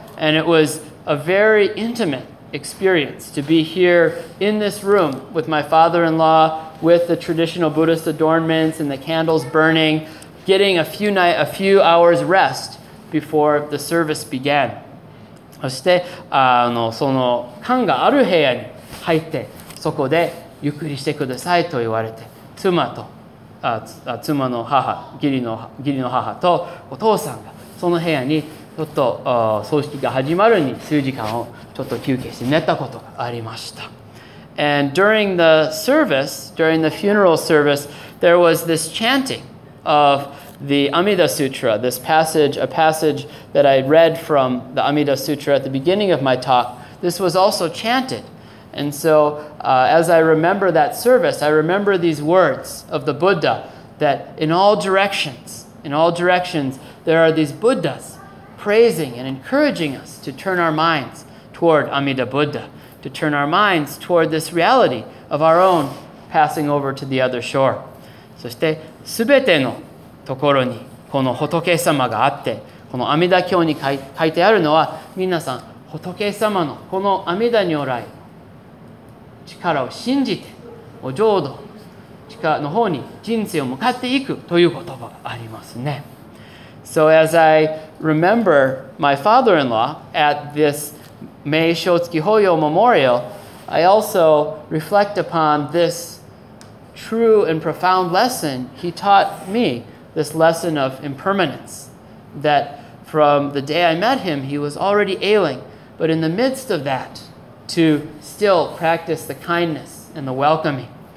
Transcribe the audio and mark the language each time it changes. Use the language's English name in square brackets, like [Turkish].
[English] And it was a very intimate experience to be here in this room with my father-in-law, with the traditional Buddhist adornments and the candles burning, getting a few hours rest before the service began. [Japanese] そして、その館がある部屋に入ってそこでゆっくりしてくださいと言われて妻の母義理の母とお父さんがその部屋にちょっと葬式が始まるに数時間をちょっと休憩して寝たことがありました。 [English] And during the service, during the funeral service, there was this chanting of the Amida Sutra, this passage, a passage that I read from the Amida Sutra at the beginning of my talk. This was also chanted. And so, as I remember that service, I remember these words of the Buddha that in all directions, there are these Buddhas praising and encouraging us to turn our minds toward Amida Buddha, to turn our minds toward this reality of our own passing over to the other shore. [Japanese] そして、すべてのところにこの仏様があって、この阿弥陀経に書いてあるのは、皆さん、仏様のこの阿弥陀如来、力を信じてお浄土地下の方に人生を向かっていくという言葉がありますね。 [English] So as I remember my father-in-law at this Mei Shotsuki Hoyo Memorial, I also reflect upon this true and profound lesson he taught me, this lesson of impermanence, that from the day I met him, he was already ailing, but in the midst of that,to still practice the kindness and the welcoming.